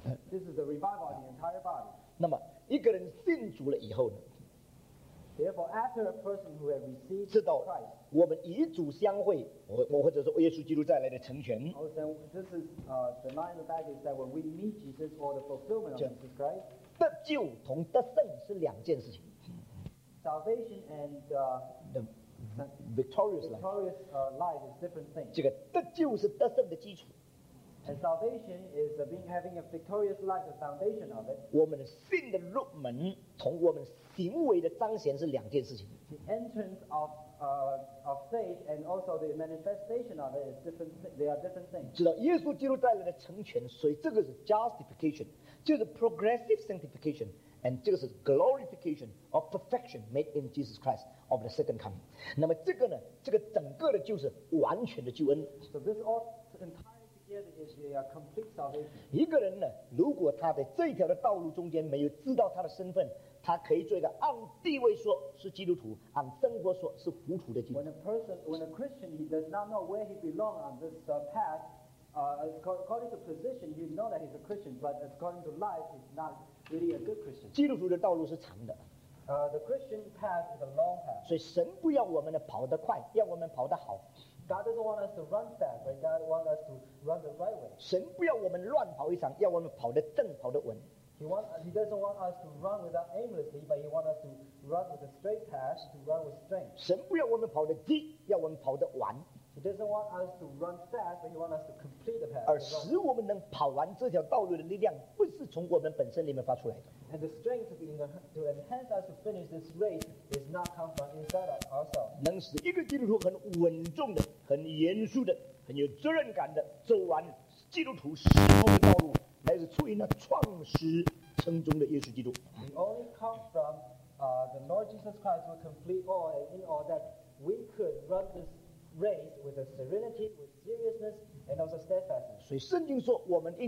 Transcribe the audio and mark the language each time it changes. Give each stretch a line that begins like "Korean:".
English: This is the revival of the entire body.
Chinese: 那么一个人信主了以后呢？
English: Therefore, after a person who has received Christ.
Chinese: 我们以主相会，我或者说耶稣基督再来的成全。
English: Oh, then this is the line of baggage that when we meet Jesus or the fulfillment of Jesus Christ.
Chinese: 得救同得胜是两件事情。
English: Salvation and the victorious life. Victorious life is different thing.
Chinese: 这个得救是得胜的基础。
English: And salvation is having a victorious life, the foundation of it.
Chinese: 我们的信的入门同我们行为的彰显是两件事情。
English: Yeah, the entrance of faith and also the manifestation of it is different. They are different things.
Chinese: 知道耶稣基督带来的成全，所以这个是
English: justification，
Chinese: 就是
English: progressive sanctification， and
Chinese: 这个是
English: glorification of perfection made in Jesus Christ of the second coming.
Chinese: 那么这个呢，这个整个的就是完全的救恩。
English: So this all entire together is a complete salvation.
Chinese: 一个人呢，如果他在这一条的道路中间没有知道他的身份。他可以做一个按地位说是基督徒，按生活说是糊涂的基督徒。
English: When a Christian he does not know where he belongs on this path, according to position, he knows that he's a Christian, but according to life, he's not really a good Christian.
Chinese: 基督徒的道路是长的。
English: The Christian path is a long path.
Chinese: 所以神不要我们跑得快，要我们跑得好。
English: God doesn't want us to run fast, but God wants us to run the right way.
Chinese: 神不要我们乱跑一场，要我们跑得正，跑得稳。
English: He doesn't want us to run without aimlessly, but he wants us to run with a straight path, to run with strength.
Chinese: 神不要我们跑得急，要我们跑得完。
English: He doesn't want us to run fast, but he wants us to complete the path.
Chinese: 而使我们能跑完这条道路的力量，不是从我们本身里面发出来的。
English: And the strength to enhance us to finish this race is not come from inside us also.
Chinese: 能使一个基督徒很稳重的、很严肃的、很有责任感的走完基督徒使命的道路。来自出于那创始成终的耶稣基督。
English: We only come from the Lord Jesus Christ will complete all and in all that we could run this race with a serenity, with seriousness, and also steadfastness.